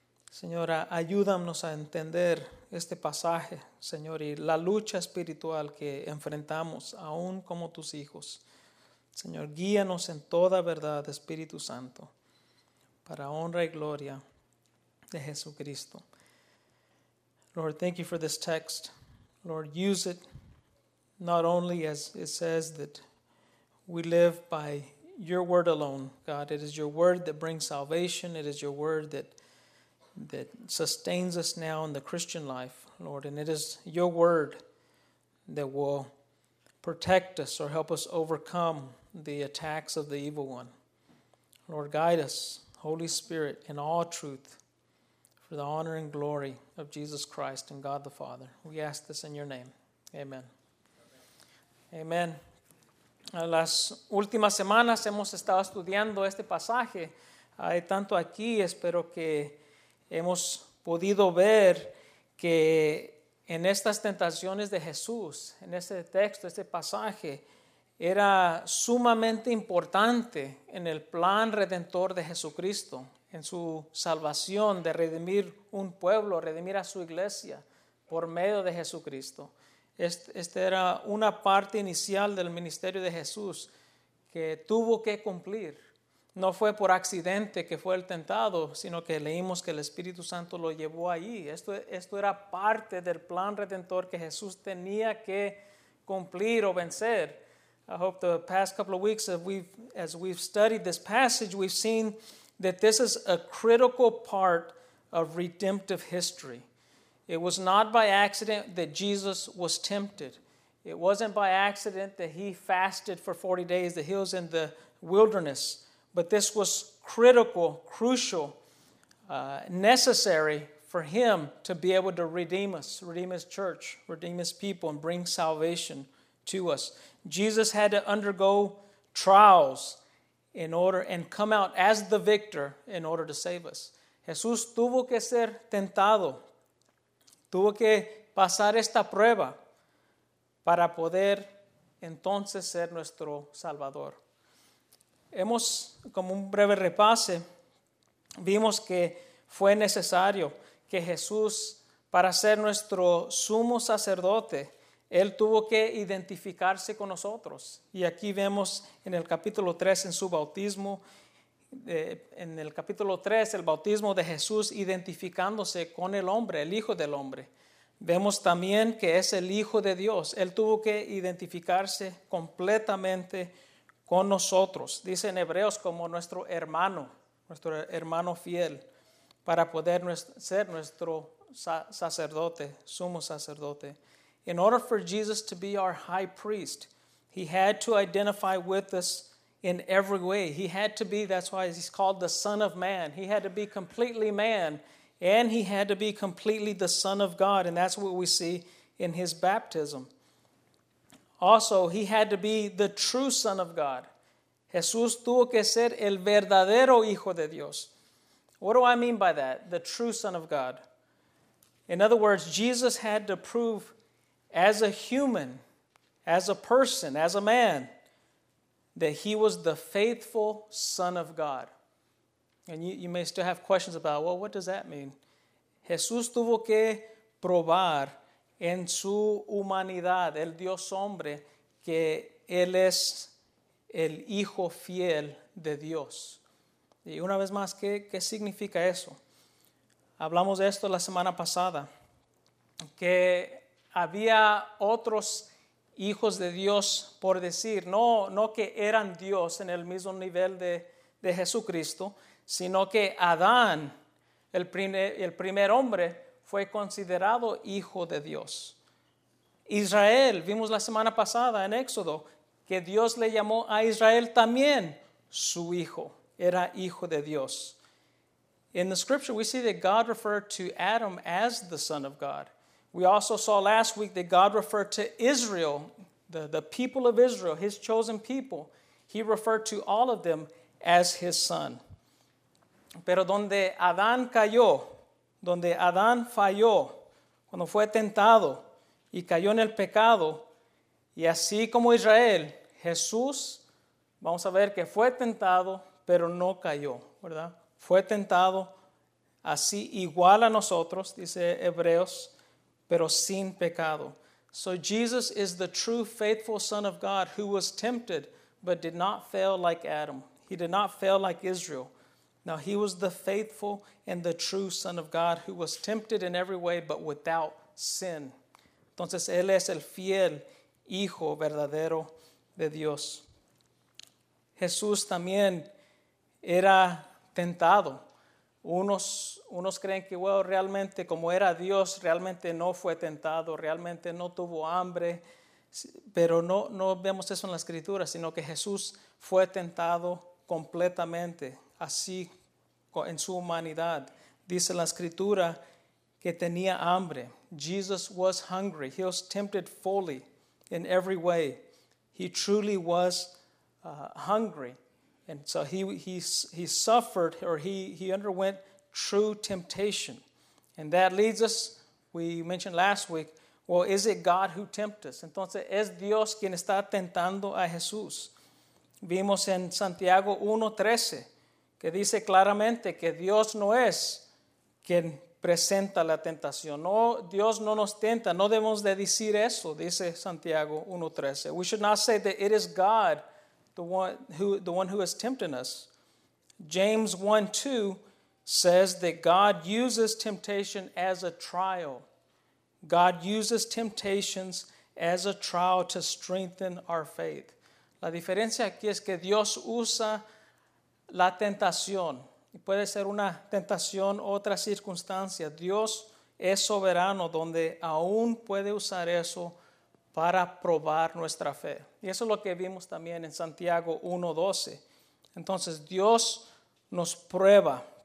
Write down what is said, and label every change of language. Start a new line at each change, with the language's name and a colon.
Spanish: Señora, ayúdanos a entender este pasaje, Señor, y la lucha espiritual que enfrentamos aún como tus hijos. Señor, guíanos en toda verdad, Espíritu Santo, para honra y gloria de Jesucristo.
English: Lord, thank you for this text. Lord, use it not only as it says that we live by your word alone, God. It is your word that brings salvation. It is your word that sustains us now in the Christian life, Lord. And it is your word that will protect us or help us overcome the attacks of the evil one. Lord, guide us, Holy Spirit, in all truth. For the honor and glory of Jesus Christ and God the Father. We ask this in your name. Amen. Amen.
Spanish: Las últimas semanas hemos estado estudiando este pasaje. Hay tanto aquí, espero que hemos podido ver que en estas tentaciones de Jesús, en este texto, este pasaje, era sumamente importante en el plan redentor de Jesucristo. En su salvación de redimir un pueblo, redimir a su iglesia por medio de Jesucristo. Esta era una parte inicial del ministerio de Jesús que tuvo que cumplir. No fue por accidente que fue el tentado, sino que leímos que el Espíritu Santo lo llevó ahí. Esto era parte del plan redentor que Jesús tenía que cumplir o vencer.
English: I hope the past couple of weeks as we've studied this passage, we've seen that this is a critical part of redemptive history. It was not by accident that Jesus was tempted. It wasn't by accident that he fasted for 40 days, that he was in the wilderness. But this was critical, crucial, necessary for him to be able to redeem his church, redeem his people, and bring salvation to us. Jesus had to undergo trials in order and come out as the victor in order to save us.
Spanish: Jesús tuvo que ser tentado. Tuvo que pasar esta prueba para poder entonces ser nuestro salvador. Hemos, como un breve repase, vimos que Fue necesario que Jesús, para ser nuestro sumo sacerdote, Él tuvo que identificarse con nosotros. Y aquí vemos en el capítulo 3, en su bautismo, en el capítulo 3, el bautismo de Jesús identificándose con el hombre, el Hijo del Hombre. Vemos también que es el Hijo de Dios. Él tuvo que identificarse completamente con nosotros. Dice en Hebreos como nuestro hermano fiel, para poder ser nuestro sacerdote, sumo sacerdote.
English: In order for Jesus to be our high priest, he had to identify with us in every way. He had to be, that's why he's called the Son of Man. He had to be completely man, and he had to be completely the Son of God, and that's what we see in his baptism. Also, he had to be the true Son of God.
Spanish: Jesús tuvo que ser el verdadero Hijo de Dios.
English: What do I mean by that? The true Son of God. In other words, Jesus had to prove as a human, as a person, as a man, that he was the faithful Son of God. And you may still have questions about, well, what does that mean?
Spanish: Jesús tuvo que probar en su humanidad, el Dios hombre, que él es el Hijo fiel de Dios. Y una vez más, ¿qué significa eso? Hablamos de esto la semana pasada, que había otros hijos de Dios, por decir, no que eran Dios en el mismo nivel de Jesucristo, sino que Adán, el primer hombre, fue considerado hijo de Dios. Israel, vimos la semana pasada en Éxodo, que Dios le llamó a Israel también su hijo, era hijo de Dios.
English: In the scripture, we see that God referred to Adam as the Son of God. We also saw last week that God referred to Israel, the people of Israel, his chosen people. He referred to all of them as his son.
Spanish: Pero donde Adán cayó, donde Adán falló, cuando fue tentado y cayó en el pecado, y así como Israel, Jesús, vamos a ver que fue tentado, pero no cayó, ¿verdad? Fue tentado así igual a nosotros, dice Hebreos, pero sin pecado.
English: So Jesus is the true faithful Son of God who was tempted but did not fail like Adam. He did not fail like Israel. Now he was the faithful and the true Son of God who was tempted in every way but without sin.
Spanish: Entonces él es el fiel hijo verdadero de Dios. Jesús también era tentado. Unos creen que, bueno, realmente como era Dios, realmente no fue tentado, realmente no tuvo hambre, pero no vemos eso en la Escritura, sino que Jesús fue tentado completamente, así en su humanidad. Dice la Escritura que tenía hambre.
English: Jesus was hungry. He was tempted fully in every way. He truly was hungry. And so he suffered, or he underwent true temptation. And that leads us, we mentioned last week, well, is it God who tempts us?
Spanish: Entonces, ¿es Dios quien está tentando a Jesús? Vimos en Santiago 1:13, que dice claramente que Dios no es quien presenta la tentación. No, Dios no nos tenta. No debemos de decir eso, dice Santiago 1:13.
English: We should not say that it is God, the one who is tempting us. James 1:2 says that God uses temptation as a trial. God uses temptations as a trial to strengthen our faith.
Spanish: La diferencia aquí es que Dios usa la tentación. Y puede ser una tentación, otra circunstancia. Dios es soberano, donde aún puede usar eso para probar nuestra fe. Y eso es lo que vimos también en Santiago 1:12. Entonces, Dios nos prueba.